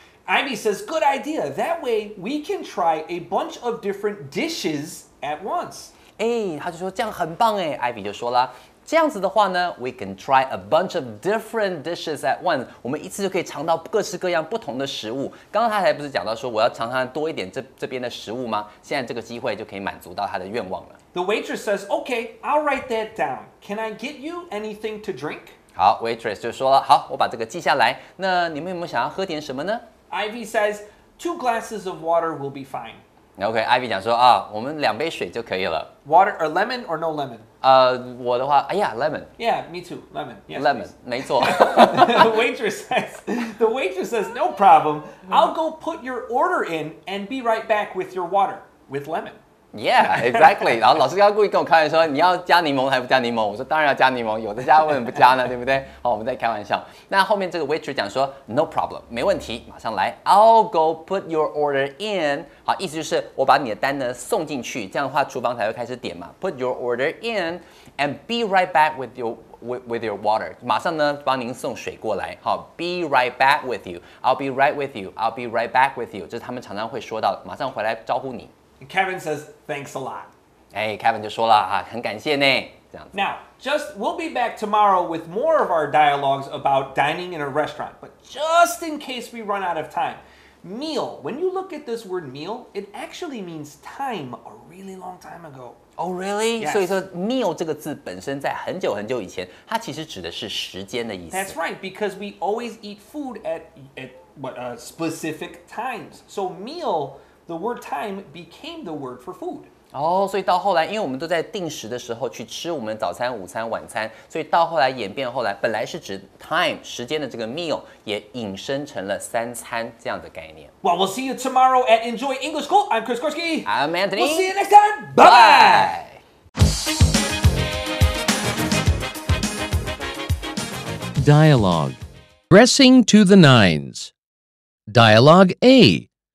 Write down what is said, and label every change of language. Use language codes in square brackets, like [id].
[en] Ivy says, good idea. That way we can try a bunch of different dishes at once. [zh] 他就说这样很棒哎。Ivy 就说了。这样子的话呢 ， [en] we can try a bunch of different dishes at once. [zh] 我们一次就可以尝到各式各样不同的食物。刚刚他还不是讲到说我要尝尝多一点这边的食物吗？现在这个机会就可以满足到他的愿望了。 [en] The waitress says, "Okay, I'll write that down. Can I get you anything to drink?" [zh] 好 ，waitress 就说了，好，我把这个记下来。那你们有没有想要喝点什么呢 [en] ？Ivy says, "Two glasses of water will be fine." [zh] OK, Ivy 讲说啊，我们两杯水就可以了。 [en] Water or lemon or no lemon? [zh] 我的话，哎呀 ，lemon。 [en] Yeah, me too, lemon. Yes, [zh] lemon, 没错。 [en] The waitress says, no problem. I'll go put your order in and be right back with your water with lemon. Yeah, exactly. [zh] 然后老师刚刚故意跟我开玩笑说，你要加柠檬还不加柠檬？我说当然要加柠檬，有的加为什么不加呢？对不对？好，我们在开玩笑。那后面这个 waitress 讲说 ， [en] no problem, [zh] 没问题，马上来。 [en] I'll go put your order in. [zh] 好，意思就是我把你的单呢送进去，这样的话厨房才会开始点嘛。 [en] Put your order in and be right back with your water. [zh] 马上呢帮您送水过来。好 ， [en] be right back with you. [zh] I'll be right with you. [en] I'll be right back with you. [zh] 这是他们常常会说到，马上回来招呼你。 [en] Kevin says thanks a lot. [zh] 哎 ，Kevin 就说了啊，很感谢呢。这样子。 [en] Now, just we'll be back tomorrow with more of our dialogues about dining in a restaurant. But just in case we run out of time. Meal. When you look at this word meal, it actually means time a really long time ago. Oh, really? Yes. [zh] 所以说 meal 这个字本身在很久很久以前，它其实指的是时间的意思。 [en] That's right, because we always eat food at specific times. So meal, the word time, became the word for food. [zh] 所以到后来，因为我们都在定时的时候去吃我们早餐、午餐、晚餐，所以到后来演变，后来本来是指 time 时间的这个 meal 也引申成了三餐这样的概念。 [en] Well, we'll see you tomorrow at Enjoy English School. I'm Chris Korski. I'm Anthony. We'll see you next time. Bye. Dialogue. Dressing to the nines. Dialogue A.